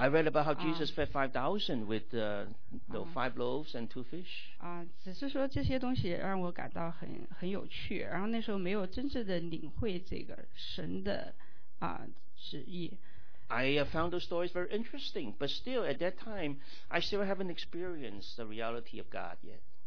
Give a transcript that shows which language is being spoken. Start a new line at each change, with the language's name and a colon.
English: I read about how Jesus fed 5,000 with the five loaves and two fish.
Chinese: 只是说这些东西让我感到很有趣，然后那时候没有真正的领会这个神的旨意。
English: I found those stories very interesting, but still, at that time, I still haven't experienced the reality of God yet.